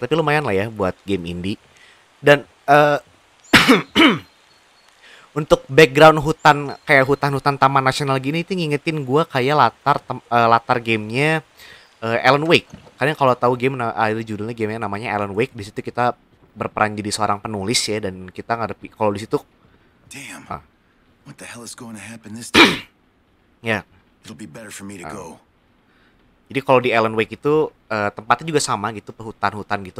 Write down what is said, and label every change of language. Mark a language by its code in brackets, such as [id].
[id] Tapi lumayan lah ya buat game indie. Dan untuk background hutan, kayak hutan-hutan taman nasional gini, itu ngingetin gue kayak latar gamenya Alan Wake. Kalian kalau tahu game, judulnya gamenya namanya Alan Wake. Di situ kita berperan jadi seorang penulis ya. Dan kita ngadepi, kalau di situ, [en] damn. What the hell is going to happen this time? Yeah. It'll be better for me to go. [id] Jadi kalau di Alan Wake itu tempatnya juga sama gitu, hutan-hutan gitu.